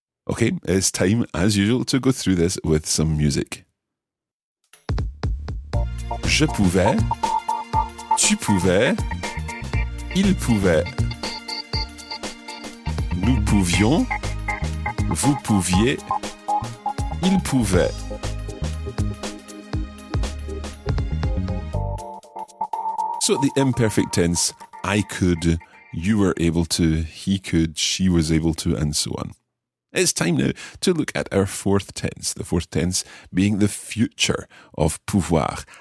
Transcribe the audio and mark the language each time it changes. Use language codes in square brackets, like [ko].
[en] Okay, it's time, as usual, to go through this with some music. [fr] Je pouvais, tu pouvais, il pouvait. Nous pouvions, vous pouviez, il pouvait. [en] So the imperfect tense, I could, you were able to, he could, she was able to, and so on. It's time now to look at our fourth tense, the fourth tense being the future of pouvoir.